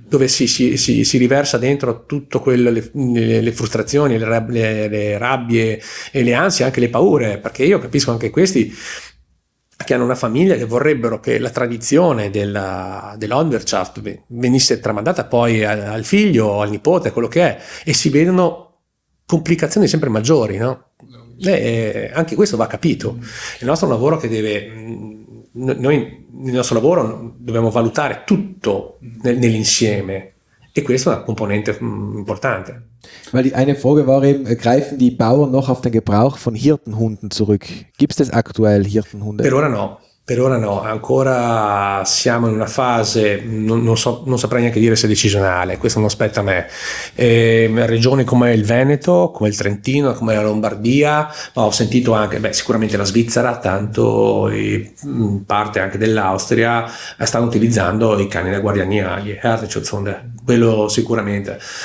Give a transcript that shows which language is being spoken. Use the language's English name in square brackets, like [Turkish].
[Italian] Dove si riversa dentro tutto quello, le frustrazioni, le rabbie e le ansie, anche le paure, perché io capisco anche questi che hanno una famiglia che vorrebbero che la tradizione dell'Landwirtschaft venisse tramandata poi al figlio o al nipote, quello che è, e si vedono complicazioni sempre maggiori, no? Anche questo va capito. Il nostro lavoro che deve... Noi nel nostro lavoro dobbiamo valutare tutto nell'insieme, e questa è una componente importante. [German] Weil die eine Frage war eben, greifen die Bauern noch auf den Gebrauch von Hirtenhunden zurück? Gibt es aktuell Hirtenhunde? [Italian] Per ora no, ancora siamo in una fase, non saprei neanche dire se è decisionale, questo non spetta a me. Regioni come il Veneto, come il Trentino, come la Lombardia, ma ho sentito anche, sicuramente la Svizzera, tanto, e parte anche dell'Austria, stanno utilizzando i cani da guardiania, gli Herdenschutzhunde, quello sicuramente.